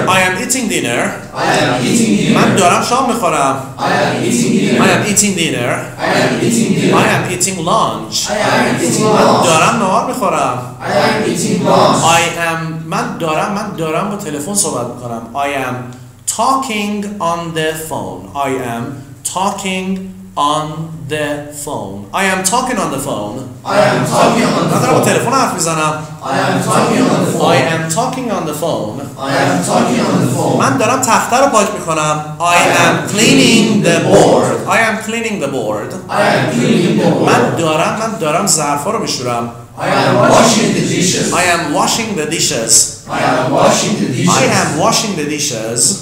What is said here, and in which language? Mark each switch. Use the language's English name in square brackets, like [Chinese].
[English] I am eating dinner. I am eating dinner. [Persian] من دارم شام میخورم. [English] I am eating dinner. I am eating dinner. I am eating dinner. I am eating lunch. I am eating lunch. [Persian] من دارم نهار میخورم. [English] I am eating lunch. I am. [Persian] من دارم با تلفن صحبت میکنم. [English] I am talking on the phone. I am talking on the phone. I am talking on the phone. I am talking on the phone. [Persian] من دارم با تلفن حرف میزنم. [English] I am talking on the phone. I am talking on the phone. I am talking on the phone. [Persian] من دارم تخته رو پاک میکنم. [English] I am cleaning the board. I am cleaning the board. I am cleaning the board. [Persian] من دارم ظرفا رو میشورم. [English] I am washing the dishes. I am washing the dishes. I am washing the dishes. I am washing the dishes.